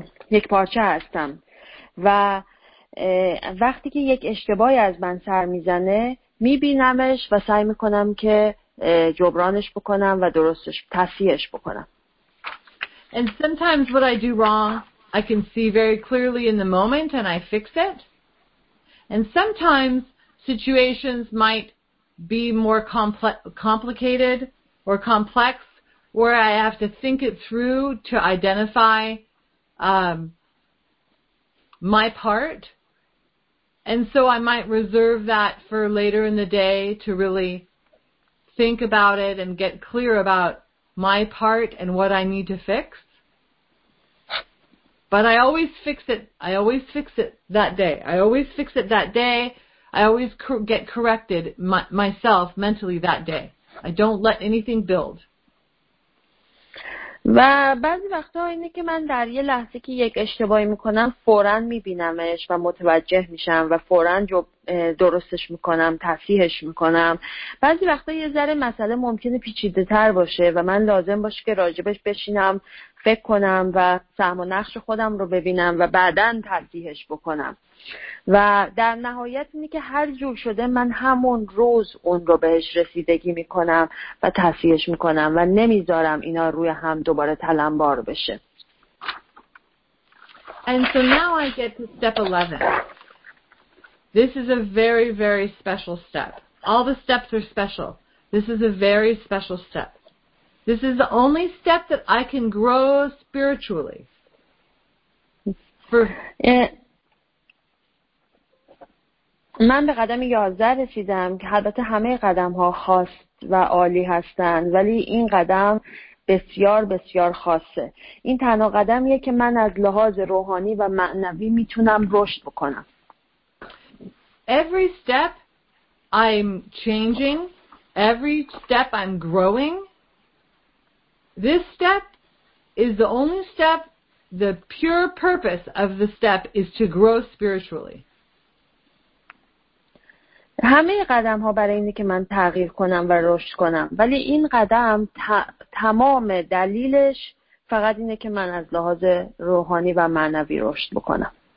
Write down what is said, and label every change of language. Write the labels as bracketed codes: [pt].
[fa] یک پارچه هستم و وقتی که یک اشتباهی از من سر میزنه میبینمش و سعی میکنم که جبرانش بکنم و درستش تصحیحش بکنم. [en] And sometimes what I do wrong, I can see very clearly in the moment and I fix it. And sometimes situations might be more complicated or complex, where I have to think it through to identify my part. And so I might reserve that for later in the day to really think about it and get clear about my part and what I need to fix. But I always fix it. I always fix it that day. I always fix it that day. I always get corrected myself mentally that day. I don't let anything build. [fa] و بعضی وقتا اینه که من در یه لحظه که یک اشتباهی میکنم فوراً میبینمش و متوجه میشم و فوراً درستش میکنم، تصحیحش میکنم. بعضی وقتا یه ذره مسئله ممکنه پیچیده تر باشه و من لازم باشه که راجبش بشینم، فکر کنم و سهم و نقش خودم رو ببینم و بعداً تصحیحش بکنم. و در نهایت اینه که هر جور شده من همون روز اون رو بهش رسیدگی میکنم و تصحیحش میکنم و نمیذارم اینا روی هم دوباره تلمبار بشه. [en] And so now I get to step 11. This is a very, very special step. All the steps are special. This is a very special step. This is the only step that I can grow spiritually. [fa] من به قدم 11 رسیدم که البته همه قدم ها خاص و عالی هستند، ولی این قدم بسیار بسیار خاصه. این تنها قدمیه که من از لحاظ روحانی و معنوی میتونم رشد بکنم. [en] Every step I'm changing, every step I'm growing, this step is the only step, the pure purpose of the step is to grow spiritually. [fa] همه قدم ها برای اینه که من تغییر کنم و رشد کنم، ولی این قدم تمام دلیلش فقط اینه که من از لحاظ روحانی و معنوی رشد بکنم.